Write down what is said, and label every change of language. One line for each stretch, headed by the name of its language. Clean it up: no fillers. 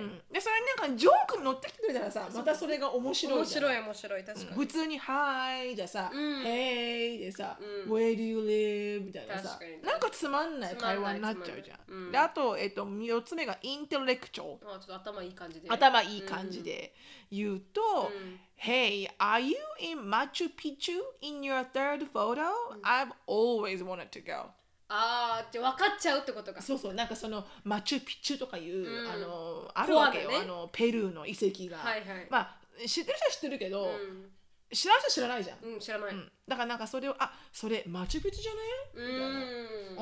Japanese: うん、でそれになんかジョークに乗ってきてるならさ、またそれが面白いじゃん、面白い面白い、確かに、うん、普通に「はーい」じゃさ「へ、う、い、ん」でさ「うん、
English: Where do you live?」
Japanese: みたいなさ、確かに、なんかつまんない会話になっちゃうじゃん、うん、であと、4つ目がインテレクチャル、ちょっと頭いい感じで、頭いい感じで言うと、うん、
English: Hey, are you in Machu Picchu in your third photo? I've always wanted to go.
Japanese: ああ、って分かっちゃうってことか。そうそう、なんかそのマチュピチュとかいう、うん、あるわけよ、ね、ペルーの遺跡が。はいはい、まあ知ってる人は知ってるけど、うん、知らない人は知らないじゃん。うん、知らない。うん、だからなんかそれを、あ、それマチュピチュじゃね？みたいな。